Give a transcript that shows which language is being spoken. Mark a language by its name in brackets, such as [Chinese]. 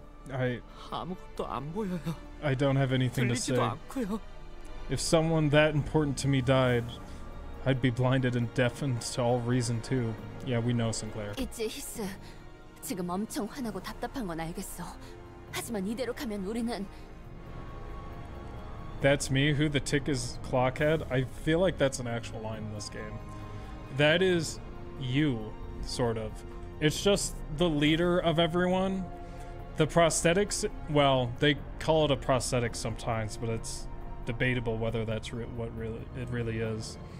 [English] I don't have anything to say. If someone that important to me died, I'd be blinded and deafened to all reason too. Yeah, we know, Sinclair. [Korean] It's 지금 엄청 화나고 답답한 건 알겠어. 하지만 이대로 가면 우리는. [English] That's me. Who the tick is, clockhead? I feel like that's an actual line in this game. That is you, sort of. It's just the leader of everyone. The prosthetics. Well, they call it a prosthetic sometimes, but it's debatable whether that's what it really is.